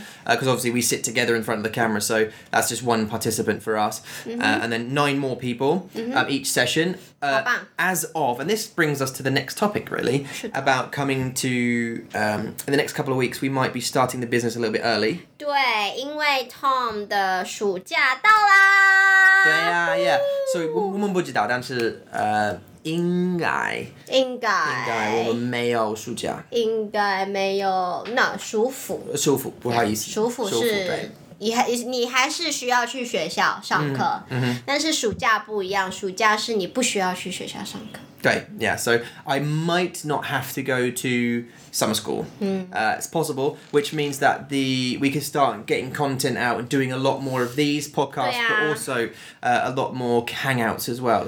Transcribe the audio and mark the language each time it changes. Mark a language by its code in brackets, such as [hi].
[en] Because obviously we sit together in front of the camera, so that's just one participant for us. Mm-hmm. And then 9 more people each session. And this brings us to the next topic, really, about coming to, in the next couple of weeks, we might be starting the business a little bit early. [zh] 对,因为Tom的暑假到啦! 对啊, So, 我们不知道,但是, 应该,我们没有暑假。应该没有,那,暑伏。暑伏,不好意思。暑伏是, 你还是需要去学校上课、嗯嗯、但是暑假不一样，暑假是你不需要去学校上课。 [en] Great, yeah, so I might not have to go to summer school. Mm. It's possible, which means that we could start getting content out and doing a lot more of these podcasts, yeah. But also a lot more hangouts as well.